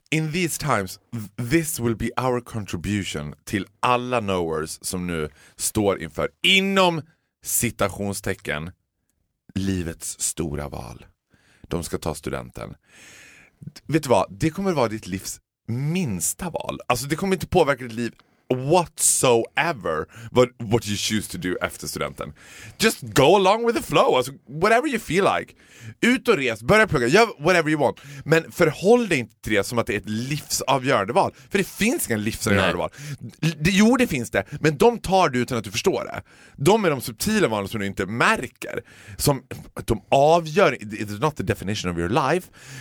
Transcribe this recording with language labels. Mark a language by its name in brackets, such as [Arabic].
[English] In these times, this will be our contribution [Swedish] till alla knowers som nu står inför, inom citationstecken, livets stora val. De ska ta studenten. Vet du vad? Det kommer vara ditt livs minsta val. Alltså det kommer inte påverka ditt liv [English] whatsoever what you choose to do [Swedish] efter studenten. [English] Just go along with the flow. [Swedish] Alltså, [English] whatever you feel like. [Swedish] Ut och res, börja plugga, gör [English] whatever you want. [Swedish] Men förhåll dig inte till det som att det är ett livsavgörande val. För det finns ingen livsavgörande val. Jo, det finns det. Men de tar du utan att du förstår det. De är de subtila valen som du inte märker. Som att de avgör, [English] it's not the definition of your life.